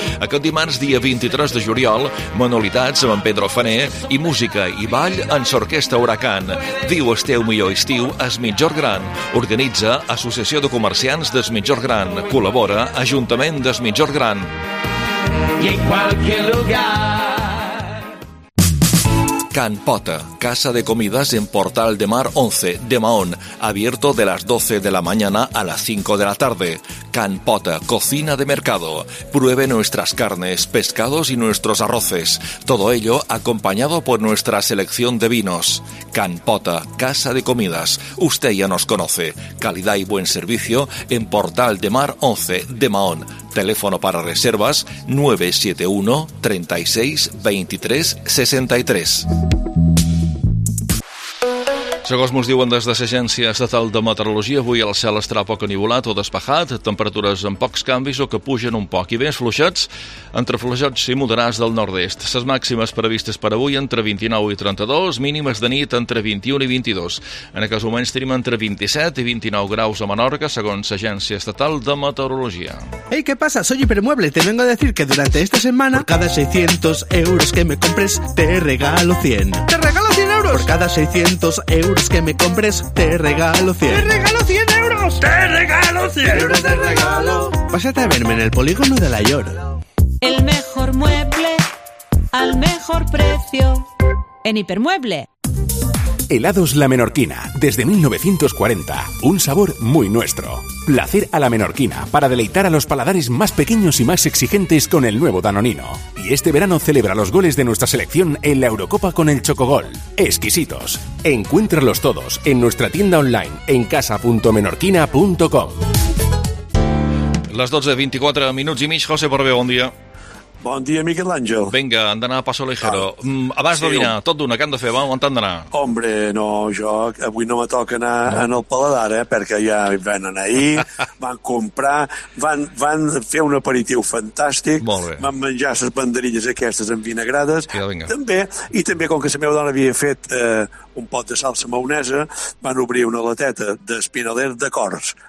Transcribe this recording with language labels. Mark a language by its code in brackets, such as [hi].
[ca] Aquest dimarts, dia 23 de juliol, manualitats amb en Pedro Faner i música i ball en l'orquestra Huracán. Viu el teu millor estiu al migjorn gran. Organitza Associació de Comerciants del Migjorn Gran. Col·labora Ajuntament del Migjorn Gran. I en qualsevol lloc. [es] Can Pota, casa de comidas en Portal de Mar 11, de Mahón, abierto de las 12 de la mañana a las 5 de la tarde. Can Pota, cocina de mercado. Pruebe nuestras carnes, pescados y nuestros arroces. Todo ello acompañado por nuestra selección de vinos. Can Pota, casa de comidas. Usted ya nos conoce. Calidad y buen servicio en Portal de Mar 11, de Mahón. Teléfono para reservas 971-36-23-63. [ca] Segons mos diuen des de l'Agència Estatal de Meteorologia, avui el cel estarà poc anivolat o despejat, temperatures amb pocs canvis o que pugen un poc, i vents fluixats entre fluixats i moderats del nord-est. Les màximes previstes per avui entre 29 i 32, mínimes de nit entre 21 i 22. En aquests moments tenim entre 27 i 29 graus a Menorca, segons l'Agència Estatal de Meteorologia. [es] Hey, ¿qué pasa? Soy Hipermueble. Te vengo a decir que durante esta semana por cada 600 euros que me compres te regalo 100. ¿Te regalo 100 euros? Por cada 600 euros que me compres, te regalo 100. ¡Te regalo 100 euros! ¡Te regalo 100 euros de regalo! Pásate a verme en el polígono de la Yor. El mejor mueble al mejor precio en Hipermueble. Helados La Menorquina, desde 1940, un sabor muy nuestro. Placer a la menorquina, para deleitar a los paladares más pequeños y más exigentes con el nuevo danonino. Y este verano celebra los goles de nuestra selección en la Eurocopa con el Chocogol. Exquisitos. Encuéntralos todos en nuestra tienda online en casa.menorquina.com. Las 12:24 minutos y mig, José Borbé, buen día. [ca] Bon dia, Miquel Àngel. Vinga, hem d'anar [es] a passo ligero. [ca] Abans de dinar, tot d'una, què hem de fer? On hem d'anar? Hombre, no, jo avui no me toca anar en el paladar, perquè ja venen ahir, van comprar, van fer un aperitiu fantàstic, van menjar les banderilles aquestes envinagrades, també, com que la meva dona havia fet un pot de salsa maonesa, van obrir una lateta d'espinaler de cors.